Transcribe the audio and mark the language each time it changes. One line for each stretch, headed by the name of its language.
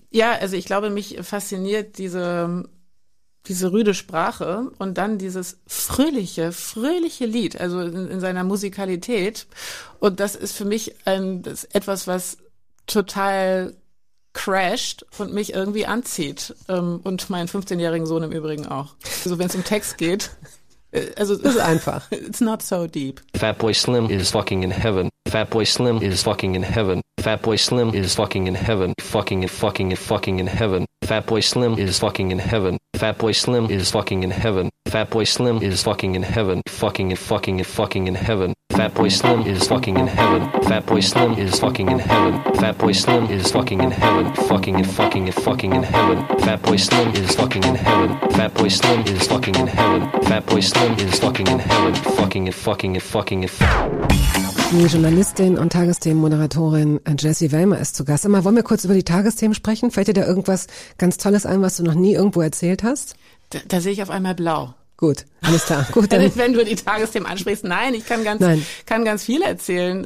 German: Ja, also ich glaube, mich fasziniert diese rüde Sprache und dann dieses fröhliche Lied, also in seiner Musikalität. Und das ist für mich das ist etwas, was total crasht und mich irgendwie anzieht. Und meinen 15-jährigen Sohn im Übrigen auch. Also wenn es um Text geht. Also es ist einfach.
English: It's not so deep. Fatboy Slim is fucking in heaven. Fatboy Slim is fucking in heaven. Fatboy Slim is fucking in heaven. Fucking and fucking and fucking in heaven. Fatboy Slim is fucking in heaven. Fatboy Slim is fucking in heaven. Fatboy Slim is fucking in heaven. Fucking and fucking and fucking in heaven. Fatboy Slim is fucking in heaven. Fatboy Slim is fucking in heaven. Fatboy Slim is fucking in heaven. Fucking and fucking and fucking in heaven. Fatboy Slim is fucking in heaven. Fatboy Slim is fucking in heaven. Fatboy Slim is fucking in heaven. Fucking and fucking and fucking in
German: Die Journalistin und Tagesthemen-Moderatorin Jessie Wellmer ist zu Gast. Aber wollen wir kurz über die Tagesthemen sprechen? Fällt dir da irgendwas ganz Tolles ein, was du noch nie irgendwo erzählt hast? Da sehe ich auf einmal blau. Gut, alles klar. Gut, dann. Wenn du die Tagesthemen ansprichst, nein, ich kann ganz viel erzählen.